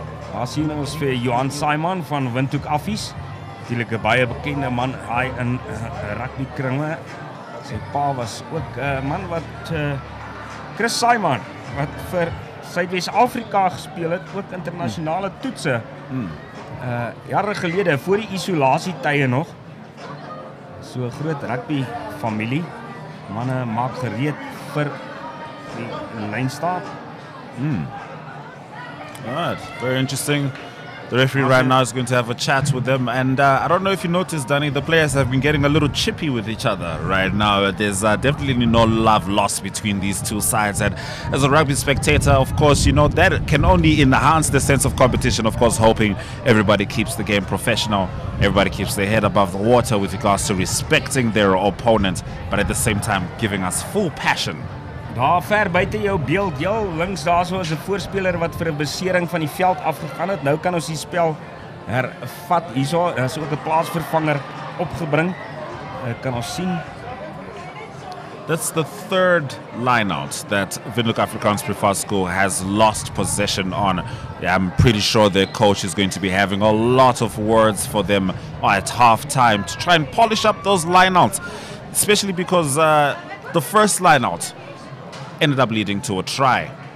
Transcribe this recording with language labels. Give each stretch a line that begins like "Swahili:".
Afrikaans: Daar sien ons vir Johan Simon van Windhoek Affies. Natuurlik 'n baie bekende man hy in rugby kringe. Sy pa was ook 'n man wat Chris Simon wat vir Suidwes-Afrika gespeel het, ook internasionale toetse. Jare gelede voor die isolasietye nog. So 'n groot rugby familie. Manne maak gereed vir die lynstaat.
English: Alright, very interesting. The referee right now is going to have a chat with them. And I don't know if you noticed, Danny, the players have been getting a little chippy with each other right now. There's definitely no love lost between these two sides. And as a rugby spectator, of course, you know, that can only enhance the sense of competition. Of course, hoping everybody keeps the game professional. Everybody keeps their head above the water with regards to respecting their opponent. But at the same time, giving us full passion.
Afrikaans: Daar ver buiten jou beeld, jou links daar so is een voorspeler wat vir een besering van die veld afgegaan het. Nou kan ons die spel hervat. Hier so, daar is ook een plaasvervanger opgebring. Kan ons sien.
English: That's the third line-out that Windhoek Afrikaans Preferred School has lost possession on. Yeah, I'm pretty sure their coach is going to be having a lot of words for them at halftime to try and polish up those line-outs, especially because the first line-out ended up leading to a try.